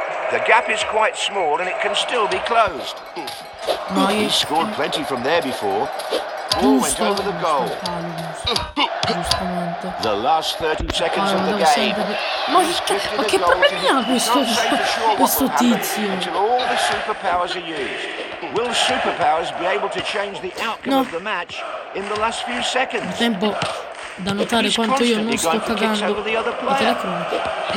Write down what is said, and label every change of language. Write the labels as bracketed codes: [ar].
[en] The gap is quite small and it can still be closed. No, he scored plenty from there before. [it] Giusto, [en] went over the goal. [it] Giustamente. [en] The last 30 seconds of the game. [it] Sempre... Ma che problemi ha questo tizio? [en] All the superpowers are used. Will superpowers be able to change the outcome of the match in the last few seconds? [it] Tempo. Da notare quanto io non sto cagando la telecronica.